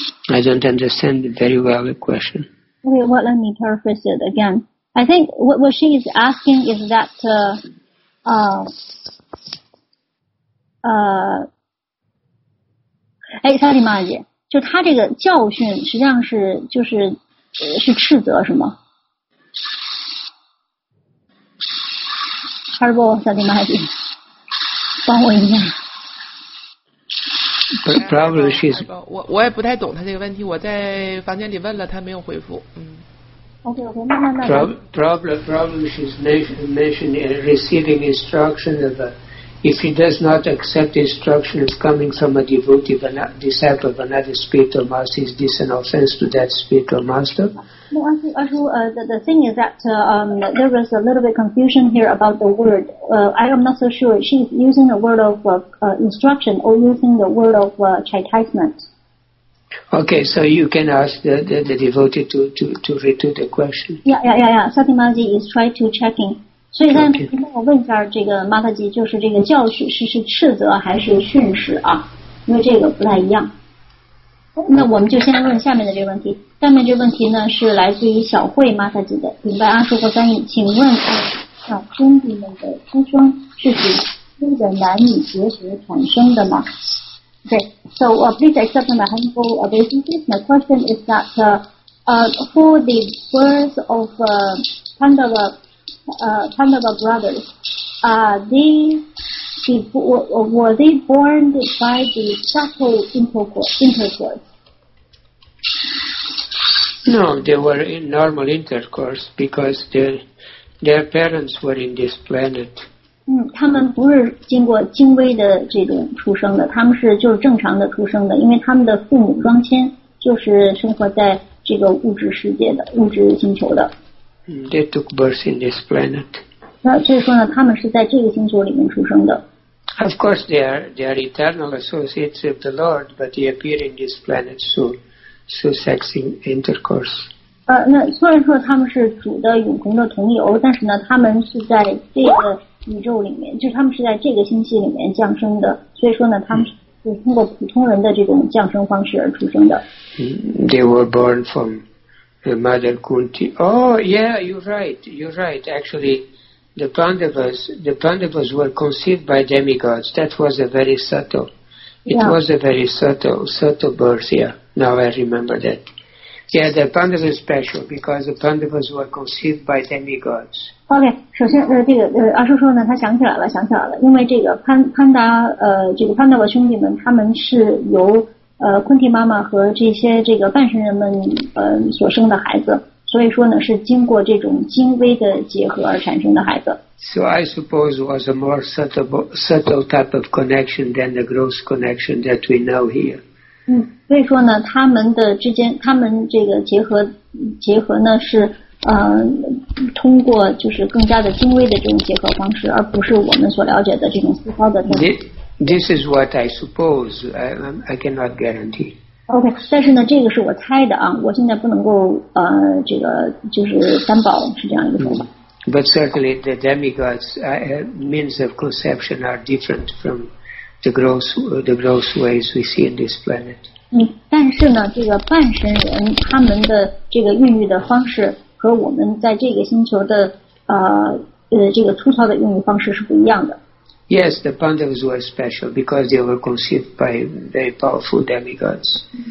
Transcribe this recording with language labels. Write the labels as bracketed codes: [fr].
[en] I don't understand very well the question. Okay, well, let me paraphrase it again. I think what she is asking is that sorry, Maji. [zh] 就他这个教训实际上是就是是斥责是吗？哈尔波萨蒂玛蒂，帮我一下。 [en] Probably she's [zh] 我也不太懂他这个问题，我在房间里问了，他没有回复。 [en] Probably she's mentioning receiving instruction of a, if he does not accept instructions coming from a devotee, a disciple of another spiritual master, is this an offense to that spiritual master? No, the thing is that there was a little bit confusion here about the word. I am not so sure. She's using the word of instruction or using the word of chastisement. Okay, so you can ask the devotee to retweet the question. Yeah. Satyamaji is trying to check in. [zh] 所以呢，你帮我问一下这个马特吉，就是这个教训是斥责还是训斥啊？因为这个不太一样。那我们就先问下面的这个问题。下面这个问题呢是来自于小慧马特吉的，明白阿叔或翻译，请问小兄弟们的出生是指新的男女结合产生的吗 ？ [en] Okay, so please accept my humble obeisances. My question is that for the birth of Pandava. Pandava brothers, were they born by the subtle intercourse? No, they were in normal intercourse because their parents were in this planet. [zh] 他们不是经过精微的这种出生的，他们是就是正常的出生的，因为他们的父母双亲就是生活在这个物质世界的物质星球的。 [en] They took birth in this planet. [zh] 那所以说呢，他们是在这个星球里面出生的。 [en] Of course, they are eternal associates of the Lord, but they appear in this planet through sexual intercourse. [zh] 那虽然说他们是主的永恒的同游，但是呢，他们是在这个宇宙里面，就他们是在这个星系里面降生的。所以说呢，他们是通过普通人的这种降生方式而出生的。 [en] They were born from Mother Kunti. Oh, yeah, you're right. Actually. The Pandavas were conceived by demigods. That was a very subtle. It was a very subtle birth, yeah. Now I remember that. Yeah, the Pandavas is special because the Pandavas were conceived by demigods. [zh] Okay, 首先阿叔说呢，他想起来了，因为这个潘达瓦兄弟们，他们是由昆蒂妈妈和这些这个半神人们所生的孩子。所以说呢，是经过这种精微的结合而产生的孩子。 [en] So I suppose it was a more subtle type of connection than the gross connection that we know here. [zh] 所以说呢，他们的之间，他们这个结合呢是通过就是更加的精微的这种结合方式，而不是我们所了解的这种细胞的。 [en] This is what I suppose. I cannot guarantee. [zh] OK, 但是呢这个是我猜的啊，我现在不能够这个就是担保是这样一个说法。 [en] But certainly the demigods, means of conception are different from the gross ways we see in this planet. [zh] 但是呢这个半神人他们的这个孕育的方式和我们在这个星球的这个粗糙的孕育方式是不一样的。 [en] Yes, the Pandavas were special because they were conceived by very powerful demigods.